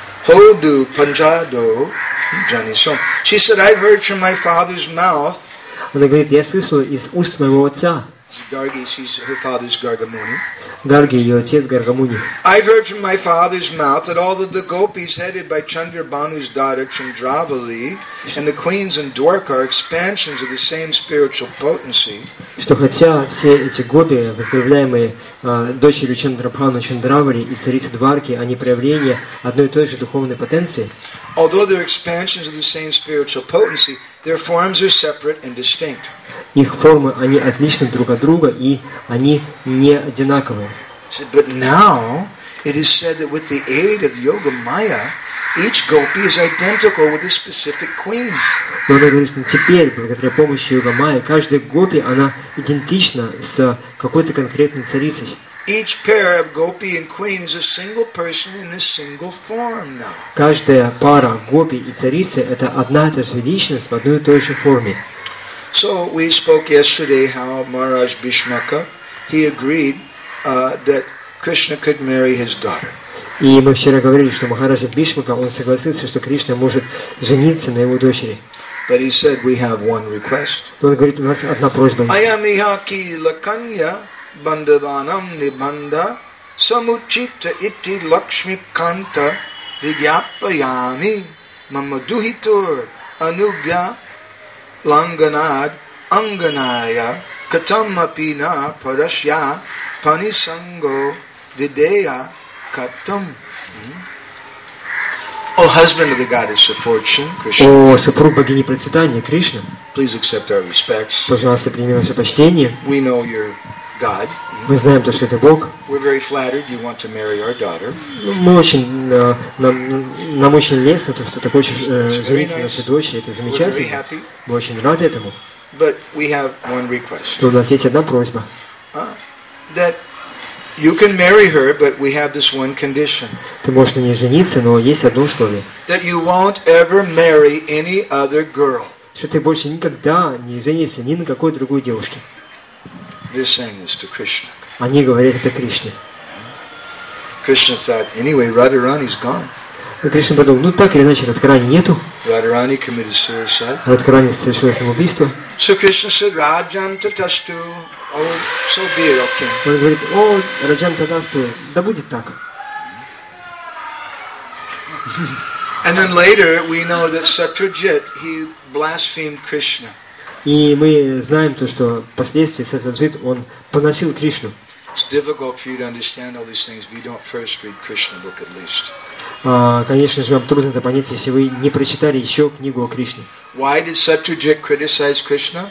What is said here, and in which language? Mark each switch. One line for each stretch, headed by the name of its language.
English: Hodu Panjado Janisho. She said, I've heard from my father's mouth.
Russian: Она говорит, я слышала из уст моего отца.
English: Garga, she's her father's Gargamuni.
Russian: Garga, ее отец Гаргамуни.
English: I've heard from my father's mouth that all of the gopis headed by Chandrabanu's daughter Chandravali and the queens in Dwarka are expansions of the same spiritual potency.
Russian: Что хотя все эти гопи, возглавляемые дочерью Чандрабану Чандравали и царицей Дварки, они проявления одной и той же духовной потенции.
English: Although they're expansions of the same spiritual potency, their forms are separate and distinct.
Russian: Их формы, они отличны друг от друга, и они не одинаковые.
English: But now it is said that with the aid of yoga maya, each gopi is identical with a specific queen.
Russian: Но она говорит, что теперь, благодаря помощи йога майя, каждая гопи, она идентична с какой-то конкретной царицей.
English: Each pair of gopi and queen is a single person in a single form now.
Russian: Каждая пара гопи и царицы это одна и та же личность в одной и той же форме.
English: So we spoke yesterday how Maharaj Bhishmaka, he agreed that Krishna could marry his daughter.
Russian: И мы вчера говорили, что Махараджа Бишмака, он согласился, что Кришна может жениться на его дочери.
English: But he said we have one request.
Russian: Он говорит, у нас одна просьба.
Sanskrit: Аямиха ки лаканья бандаванам нибанда самучита итти лакшми канта вигьяппаями мамадухитур анубья ланганад анганая катаммапина парашья панисанго видея катам.
English: О, husband of the goddess of fortune, Krishna.
Russian: О, супруг богини процветания, Кришна.
English: Please accept our respects.
Russian: Пожалуйста, прими наше почтение.
English: We know your God.
Russian: Мы знаем, что это Бог.
English: We're very flattered you want to marry our daughter.
Russian: Мы очень лестно, то, что ты хочешь жениться на нашей дочери, это замечательно. Мы очень рады этому.
English: But we have one request.
Russian: У нас есть одна просьба.
English: That you can marry her, but we have this one condition.
Russian: Ты можешь на ней жениться, но есть одно условие.
English: That you won't ever marry any other girl.
Russian: Что ты больше никогда не женишься ни на какой другой девушке.
English: They're saying this to Krishna.
Russian: Они говорят это Кришне.
English: Krishna thought, anyway, Radharani's gone.
Russian: Кришна подумал, ну так или иначе, Радхарани нету.
English: Radharani committed suicide.
Russian: Радхарани совершил самоубийство.
English: So Krishna said,
Sanskrit: Rajan tatastu,
English: oh, so be it, okay.
Russian: Он говорит, о,
Sanskrit: Раджан татасту,
Russian: да будет так.
English: And then later we know that Satyajit, he blasphemed Krishna.
Russian: И мы знаем то, что впоследствии Сатаджит, он поносил Кришну. Конечно же, вам трудно это понять, если вы не прочитали еще книгу о Кришне.
English: Why did Satyajit criticize Krishna?